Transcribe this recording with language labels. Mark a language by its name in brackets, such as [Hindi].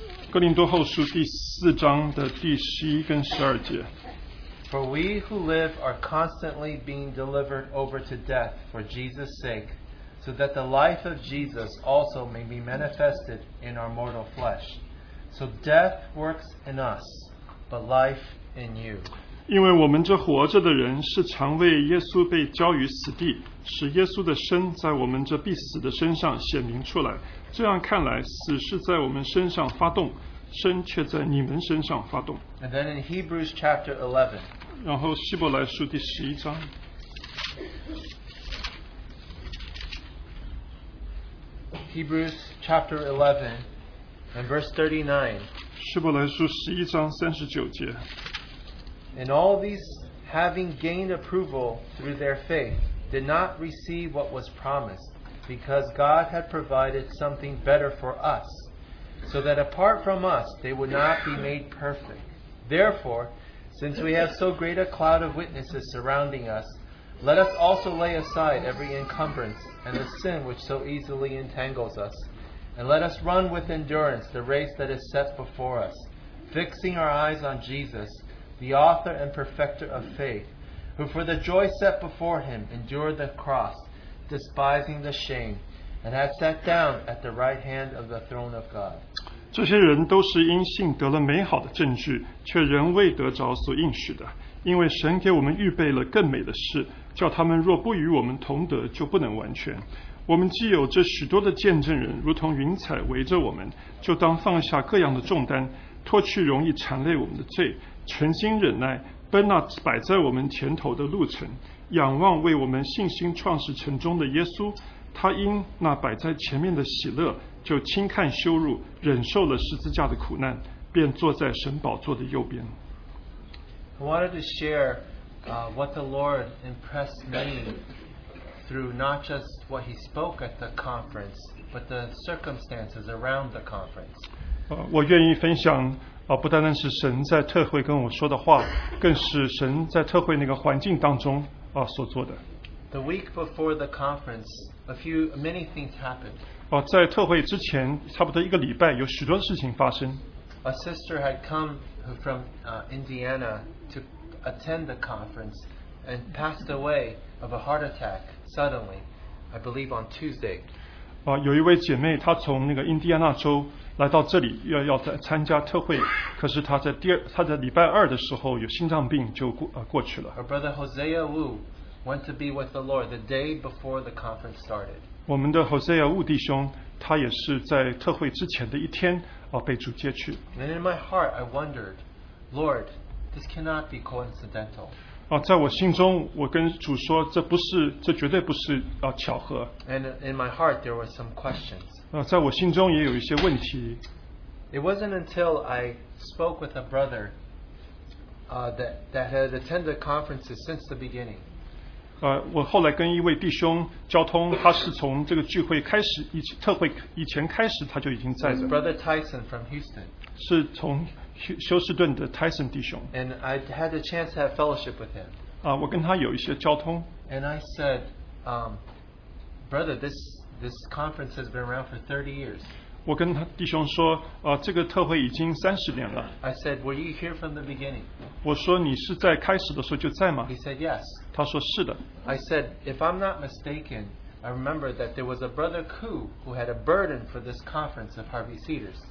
[Chinese] 哥林多后书第四章的第十一跟十二节。 [English] For we who live are constantly being delivered over to death for Jesus' sake, so that the life of Jesus also may be manifested in our mortal flesh. So death works in us, but life in you. [Chinese] 因为我们这活着的人是常为耶稣被交于死地。使耶稣的身在我们这必死的身上显明出来，这样看来，死是在我们身上发动，生却在你们身上发动。 [English] And then in Hebrews chapter 11, [Chinese] 然后希伯来书第十一章。 [English] Hebrews chapter 11 and verse 39, [Chinese] 希伯来书十一章三十九节。 [English] And all these, having gained approval through their faith,did not receive what was promised, because God had provided something better for us, so that apart from us, they would not be made perfect. Therefore, since we have so great a cloud of witnesses surrounding us, let us also lay aside every encumbrance and the sin which so easily entangles us, and let us run with endurance the race that is set before us, fixing our eyes on Jesus, the author and perfecter of faith,who for the joy set before him endured the cross, despising the shame, and had sat down at the right hand of the throne of God. [Chinese] 这些人都是因信得了美好的证据，却仍未得着所应许的。因为神给我们预备了更美的事，叫他们若不与我们同得，就不能完全。我们既有这许多的见证人，如同云彩围着我们，就当放下各样的重担，脱去容易缠累我们的罪，存心忍耐，奔那摆在我们前头的路程，仰望为我们信心创始成终的耶稣，他因那摆在前面的喜乐，就轻看羞辱，忍受了十字架的苦难，便坐在神宝座的右边。 [English] I wanted to share what the Lord impressed me through not just what he spoke at the conference, but the circumstances around the conference. [Chinese] 我愿意分享不单单是神在特会跟我说的话，更是神在特会那个环境当中所做的。 [English] The week before the conference, many things happened. [Chinese] 在特会之前，差不多一个礼拜，有许多事情发生。 [English] A sister had come from Indiana to attend the conference and passed away of a heart attack suddenly, I believe on Tuesday. [Chinese] 有一位姐妹，她从那个印第安纳州来到这里，要参加特会，可是她在礼拜二的时候有心脏病就过去了。 [English] Her brother Hosea Wu went to be with the Lord the day before the conference started. [Chinese] 我们的 Hosea Wu 弟兄，他也是在特会之前的一天被主接去。 [English] And in my heart, I wondered, Lord, this cannot be coincidental. [Chinese] 在我心中，我跟主说，这绝对不是巧合。 [English] And in my heart, there were some questions. [Chinese] 在我心中也有一些问题。 [English] It wasn't until I spoke with a brother that had attended conferences since the beginning. [Chinese] 我后来跟一位弟兄交通，他是从这个聚会开始，特会以前开始他就已经在了。 [English] Brother Tyson from Houston. [Chinese] 是从休斯顿的 Tyson 弟兄。 [English] And I had a chance to have fellowship with him. [Chinese] 我跟他有一些交通。 [English] And I said, Brother, this conference has been around for 30 years. [Chinese] 我跟他弟兄说，这个特会已经30年了。 [English] I said, Were you here from the beginning? [Chinese] 我说你是在开始的时候就在吗？ [English] He said, Yes. [Chinese] 他说是的。 [English] I said, if I'm not mistaken, I remember that there was a brother Ku who had a burden for this conference of Harvey Cedars.